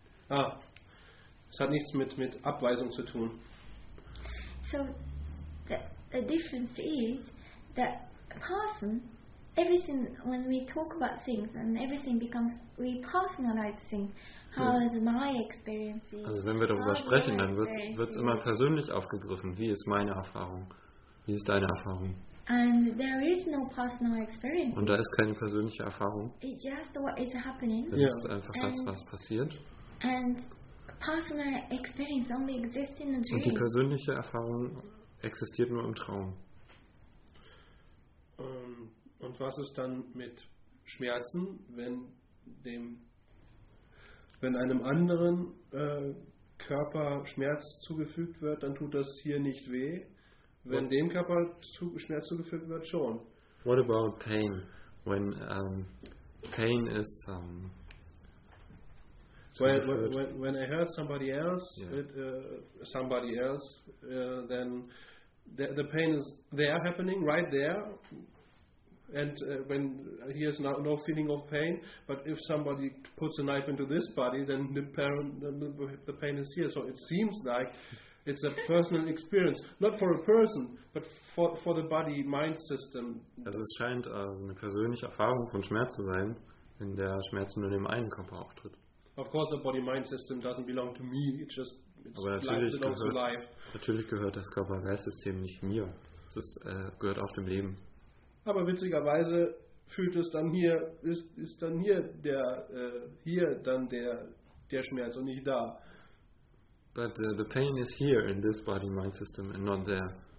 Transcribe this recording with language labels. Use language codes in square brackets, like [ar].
[de] Ah. Es hat nichts mit Abweisung zu tun. [en] So the difference is that person everything, when we talk about things and everything becomes, we personalize things. How is my experience? [de] Also wenn wir darüber sprechen, dann wird es immer persönlich aufgegriffen. Wie ist meine Erfahrung? Wie ist deine Erfahrung? [en] And there is no personal experience. [de] Und da ist keine persönliche Erfahrung. [en] It's just what is happening. [de] Es ist einfach das, was passiert. [en] And personal experience only exists in the dream. [de] Und die persönliche Erfahrung existiert nur im Traum. Und was ist dann mit Schmerzen, wenn einem anderen Körper Schmerz zugefügt wird, dann tut das hier nicht weh. Wenn dem Körper Schmerz zugefügt wird, schon. [en] What about pain? When pain is when I hurt somebody else, then the pain is there happening right there. And when he has no feeling of pain, but if somebody puts a knife into this body, then the pain is here. So it seems like it's a personal experience, not for a person, but for the body mind system. [de] Also es scheint eine persönliche Erfahrung von Schmerz zu sein, in der Schmerz nur dem einen Körper auftritt. [en] Of course, the body mind system doesn't belong to me. It just belongs to life. [de] Natürlich gehört das Körper-Geist-System nicht mir. Es gehört auch dem Leben. Aber witzigerweise fühlt es dann hier, ist dann hier der hier dann der Schmerz und nicht da. [en] But the pain is here in this body mind system and not there.